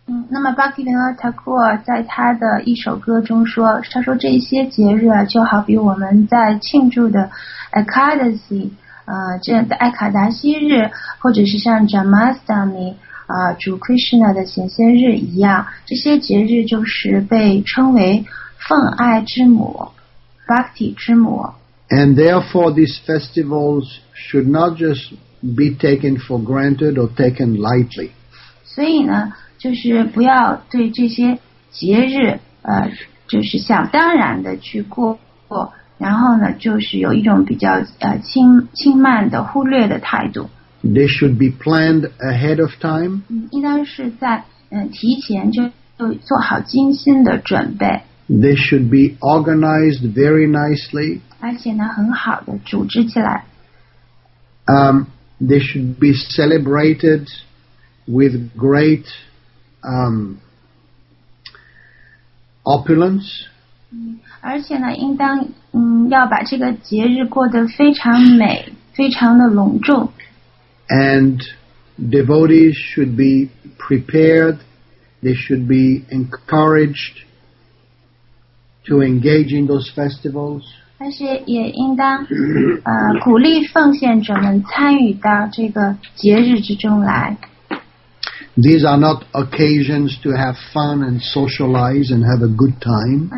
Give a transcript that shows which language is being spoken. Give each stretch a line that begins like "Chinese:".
Chinese: 那么巴基林拉塔库尔在他的一首歌中说，他说这些节日啊，就好比我们在庆祝的 Ekadasi， 这样的艾卡达西日，或者是像 Janmashtami， 主 Krishna 的显现日一样，这些节日就是被称为奉爱之母 ，Bhakti 之母。
English: And therefore, these festivals should not just be taken for granted or taken lightly.
Chinese: 所以呢？就是不要对这些节日就是想当然的去过，然后呢就是有一种比较轻慢的忽略的态度。
English: They should be planned ahead of time.
Chinese: 应当是在提前就做好精心的准备。
English: They should be organized very nicely.
Chinese: 而且呢很好的组织起来。
English: They should be celebrated with great opulence.
Chinese: 而且呢，应当要把这个节日过得非常美，非常的隆重。
English: And devotees should be prepared. They should be encouraged to engage in those festivals.
Chinese: 但是也应当鼓励奉献者们参与到这个节日之中来。
English: These are not occasions to have fun and socialize and have a good time.